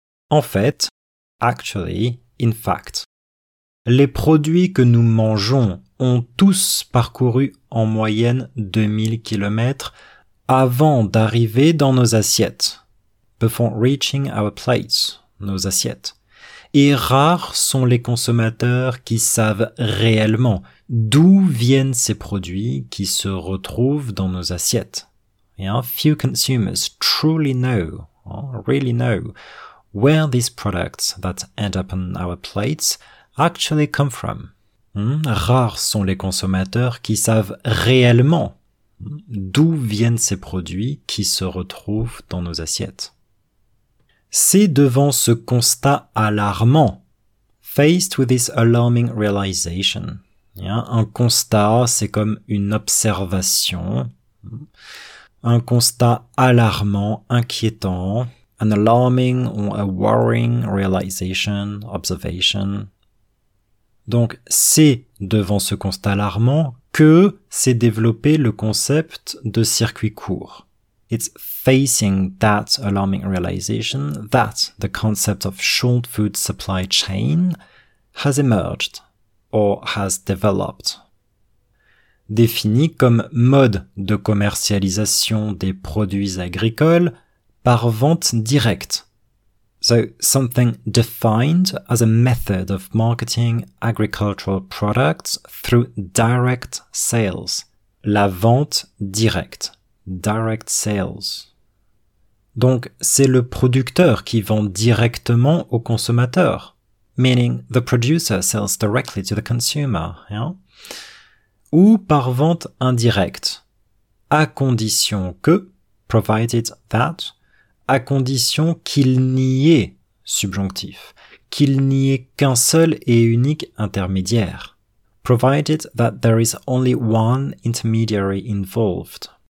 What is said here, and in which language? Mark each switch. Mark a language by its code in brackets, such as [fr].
[fr] En fait, [en] actually, in fact, [fr] les produits que nous mangeons ont tous parcouru en moyenne 2000 km avant d'arriver dans nos assiettes. [en] Before reaching our plates, [fr] nos assiettes. Et rares sont les consommateurs qui savent réellement d'où viennent ces produits qui se retrouvent dans nos assiettes. [en] Yeah, few consumers truly know, really know, where these products that end up on our plates actually come from. [fr] Rares sont les consommateurs qui savent réellement d'où viennent ces produits qui se retrouvent dans nos assiettes. C'est devant ce constat alarmant, [en] faced with this alarming realization. [fr] Yeah, un constat, c'est comme une observation. Un constat alarmant, inquiétant, [en] an alarming or a worrying realization, observation. [fr] Donc, c'est devant ce constat alarmant que s'est développé le concept de circuit court. [en] It's facing that alarming realization that the concept of short food supply chain has emerged or has developed. [fr] Défini comme mode de commercialisation des produits agricoles par vente directe. [en] So, something defined as a method of marketing agricultural products through direct sales. [fr] La vente directe. [en] Direct sales. [fr] Donc, c'est le producteur qui vend directement au consommateur. [en] Meaning, the producer sells directly to the consumer, yeah? [fr] Ou par vente indirecte, à condition que, [en] provided that, [fr] à condition qu'il n'y ait, subjonctif, qu'il n'y ait qu'un seul et unique intermédiaire. [en] Provided that there is only one intermediary involved.